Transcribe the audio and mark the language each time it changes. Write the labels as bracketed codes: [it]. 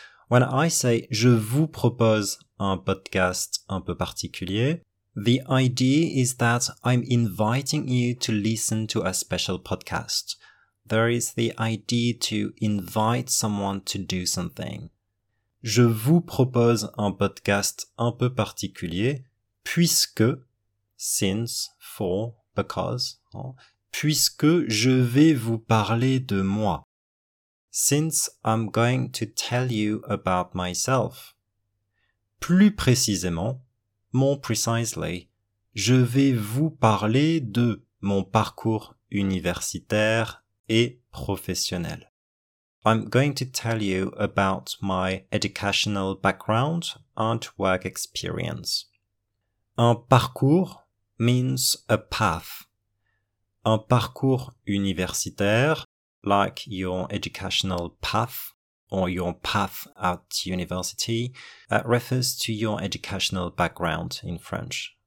[en] When I say [fr] je vous propose un podcast un peu particulier, [en] the idea is that I'm inviting you to listen to a special podcast. There is the idea to invite someone to do something. [fr] Je vous propose un podcast un peu particulier. Puisque, [en] since, for, because, [fr] puisque je vais vous parler de moi. [en] Since I'm going to tell you about myself. [fr] Plus précisément, [en] more precisely, [fr] je vais vous parler de mon parcours universitaire et professionnel. [en] I'm going to tell you about my educational background and work experience. Un parcours means a path. Un parcours universitaire, like your educational path or your path at university, refers to your educational background in French.